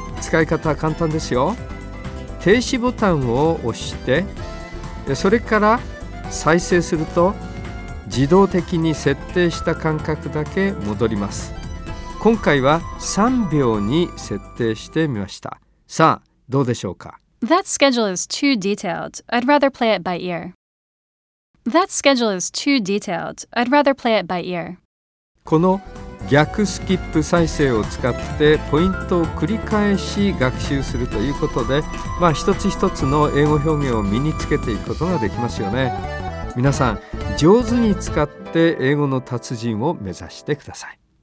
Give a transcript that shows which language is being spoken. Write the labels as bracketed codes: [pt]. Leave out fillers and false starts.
[ja] 使い方は簡単ですよ。停止ボタンを押して、それから再生すると自動的に設定した間隔だけ戻ります。今回は3秒に設定してみました。さあどうでしょうか。 [en] That schedule is too detailed. I'd rather play it by ear. That schedule is too detailed. I'd rather play it by ear. [ja] この逆スキップ再生を使ってポイントを繰り返し学習するということで、一つ一つの英語表現を身につけていくことができますよね。皆さん上手に使って英語の達人を目指してください。